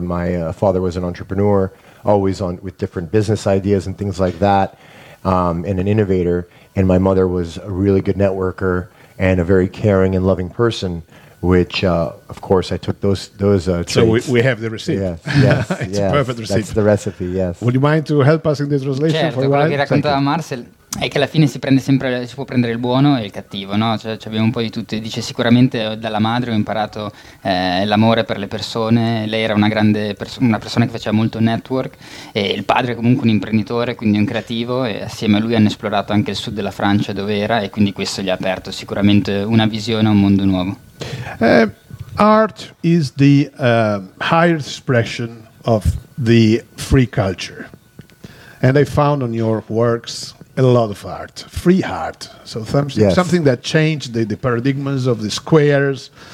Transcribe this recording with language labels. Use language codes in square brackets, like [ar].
[en] My father was an entrepreneur. Always on with different business ideas and things like that, and an innovator. And my mother was a really good networker and a very caring and loving person, which, of course, I took those traits. So we have the receipt. Yes, it's yes, a perfect receipt. That's the recipe, yes. Would you mind to help us in the translation? [it] Certo, quello che raccontava Marcel è che alla fine si può prendere il buono e il cattivo, no? Cioè, abbiamo un po' di tutto. Dice sicuramente dalla madre ho imparato l'amore per le persone, lei era una grande una persona che faceva molto network, e il padre è comunque un imprenditore, quindi un creativo, e assieme a lui hanno esplorato anche il sud della Francia dove era, e quindi questo gli ha aperto sicuramente una visione a un mondo nuovo. [en] Art is the higher expression of the free culture, and I found on your works a lot of art, free art. So something that changed the paradigms of the squares.